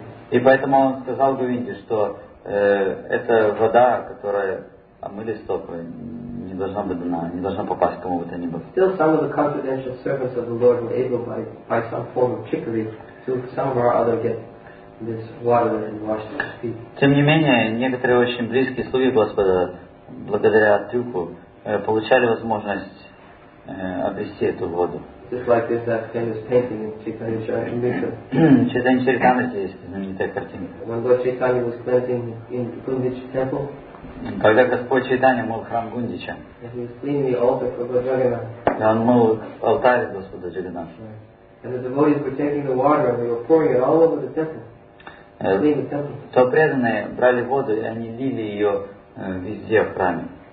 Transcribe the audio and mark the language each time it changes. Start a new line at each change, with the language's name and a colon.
Russian: И поэтому он сказал Говинде, что эта вода, которая омыли стопы, не должна быть дана, не должна попасть кому бы то ни было.
English: Still, some of the confidential servants of the Lord were able by some form of trickery to somehow or other get this water and wash their feet.
Russian: Тем не менее, некоторые очень близкие слуги Господа, благодаря трюку, получали возможность обрести эту воду.
English: Just like there's that famous painting in Chaitanya Charitamrita.
Russian: Есть знаменитая картина.
English: When Lord Chaitanya was cleansing in Gundich temple.
Russian: Когда Господь Чайтанья мыл храм Гундича, и он мыл алтарь Господа Джаганнатха, то преданные брали воду, и они лили ее везде в храме.